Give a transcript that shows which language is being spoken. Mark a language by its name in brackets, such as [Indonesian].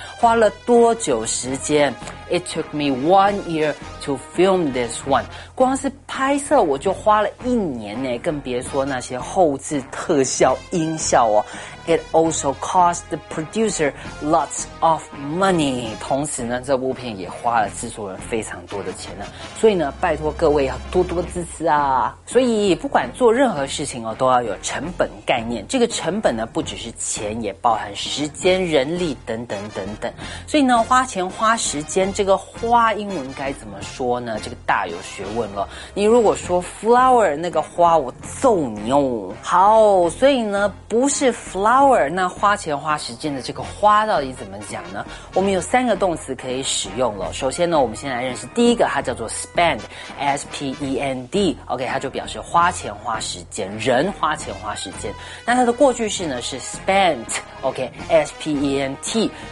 [Chinese] 花了多久时间 [English] ？It took me 1 year to film this one. [Chinese] 光是拍摄我就花了1年呢，更别说那些后制特效、音效哦。 [English] It also cost the producer lots of money. [Chinese] 同时呢，这部片也花了制作人非常多的钱呢。所以呢，拜托各位要多多支持啊！所以不管做任何事情哦，都要有成本概念。这个成本呢，不只是钱，也包含时间、人力等等等等。所以呢花钱花时间这个花英文该怎么说呢这个大有学问了你如果说 flower 那个花我揍你哦好所以呢不是 flower 那花钱花时间的这个花到底怎么讲呢我们有三个动词可以使用了首先呢我们先来认识第一个它叫做 spend S-P-E-N-D OK 它就表示花钱花时间人花钱花时间那它的过去式呢是 spent OK S-P-E-N-T